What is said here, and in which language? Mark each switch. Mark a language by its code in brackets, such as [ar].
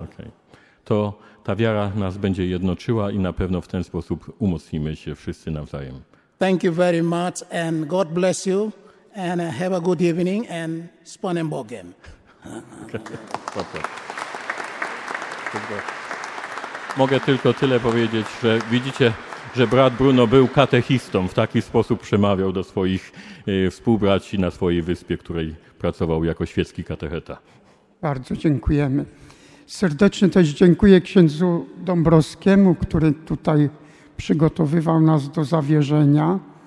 [en] Okay. [pl] To ta wiara nas będzie jednoczyła i na pewno w ten sposób umocnimy się wszyscy nawzajem. [en] Thank you very much and God bless you and have a good evening and [pl] spawnem Bogiem. Mogę tylko tyle powiedzieć, że widzicie, że brat Bruno był katechistą, w taki sposób przemawiał do swoich współbraci na swojej wyspie, której pracował jako świecki katecheta. Bardzo dziękujemy. Serdecznie też dziękuję księdzu Dąbrowskiemu, który tutaj przygotowywał nas do zawierzenia.